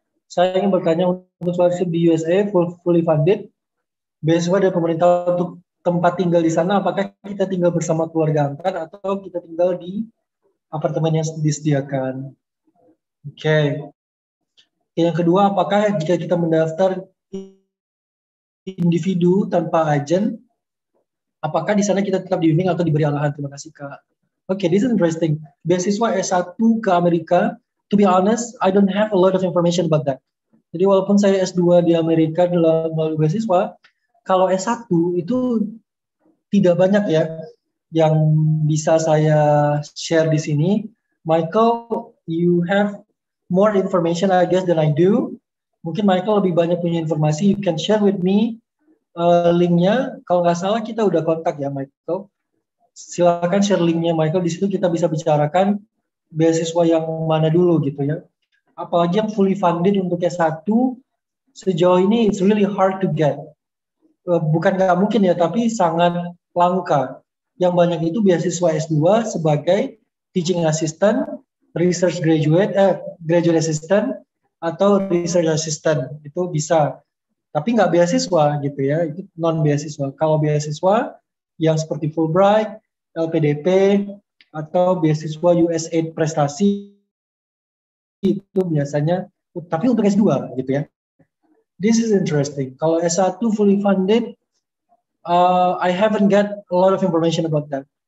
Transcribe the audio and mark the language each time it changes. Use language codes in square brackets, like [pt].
[id] Saya ingin bertanya untuk scholarship di USA, fully funded, beasiswa dari pemerintah untuk tempat tinggal di sana, apakah kita tinggal bersama keluarga angkat atau kita tinggal di apartemen yang disediakan? Oke. Okay. Yang kedua, apakah jika kita mendaftar individu tanpa agen, apakah di sana kita tetap diunding atau diberi alahan? Terima kasih, Kak. [en] Okay, this is interesting. [id] Beasiswa S1 ke Amerika, [en] to be honest, I don't have a lot of information about that. [id] Jadi walaupun saya S2 di Amerika melalui beasiswa, kalau S1 itu tidak banyak ya yang bisa saya share di sini. [en] Michael, you have more information I guess than I do. [id] Mungkin Michael lebih banyak punya informasi, [en] you can share with me [id] linknya. Kalau nggak salah kita udah kontak ya Michael. Silakan share linknya Michael, di situ kita bisa bicarakan beasiswa yang mana dulu gitu ya. Apalagi yang fully funded untuk S1, sejauh ini [en] it's really hard to get. [id] Bukan gak mungkin ya, tapi sangat langka. Yang banyak itu beasiswa S2 sebagai teaching assistant, research graduate, graduate assistant, atau research assistant, itu bisa. Tapi gak beasiswa gitu ya, itu non-beasiswa. Kalau beasiswa yang seperti Fulbright, LPDP, atau beasiswa USAID prestasi, itu biasanya, tapi untuk S2 gitu ya. [en] This is interesting. [id] Kalau S1 [en] fully funded, I haven't got a lot of information about that.